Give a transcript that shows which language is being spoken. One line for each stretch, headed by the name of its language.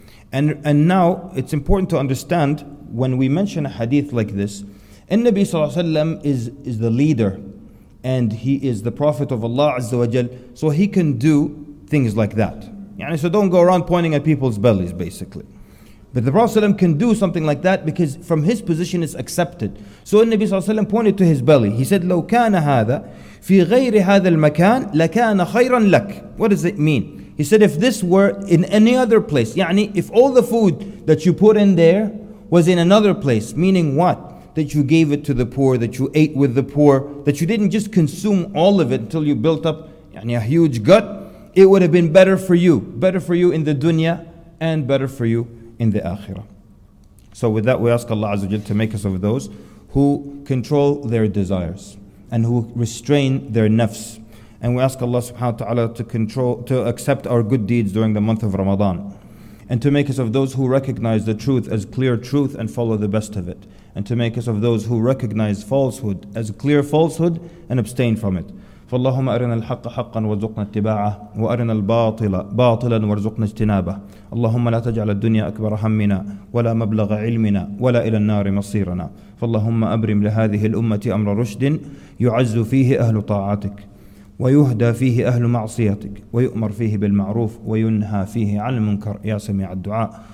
English: And now it's important to understand when we mention a hadith like this, An-Nabi sallallahu alayhi wa sallam is the leader and he is the Prophet of Allah Azza wa Jal, so he can do things like that. Yani, so don't go around pointing at people's bellies basically. But the Prophet sallallahu alayhi wa sallam can do something like that because from his position it's accepted. So An-Nabi sallallahu alayhi wa sallam pointed to his belly. He said,
Arabic: لو كان هذا في غير هذا المكان لكان خيرا لك.
English: What does it mean? He said, if this were in any other place, يعني, if all the food that you put in there was in another place, meaning what? That you gave it to the poor, that you ate with the poor, that you didn't just consume all of it until you built up يعني, a huge gut, it would have been better for you. Better for you in the dunya and better for you in the akhirah. So with that, we ask Allah Azza wa Jalla to make us of those who control their desires and who restrain their nafs. And we ask Allah subhanahu wa ta'ala to control, to accept our good deeds during the month of Ramadan. And to make us of those who recognize the truth as clear truth and follow the best of it. And to make us of those who recognize falsehood as clear falsehood and abstain from it.
Arabic: فاللهم أرنا الحق حقا وارزقنا اتباعه وأرنا الباطل باطلا وارزقنا اجتنابه. اللهم لا تجعل الدنيا أكبر همنا ولا مبلغ علمنا ولا إلى النار مصيرنا. فاللهم أبرم لهذه الأمة أمر رشد يعز فيه أهل طاعتك ويهدى فيه أهل معصيتك ويؤمر فيه بالمعروف وينهى فيه عن المنكر يا سميع الدعاء.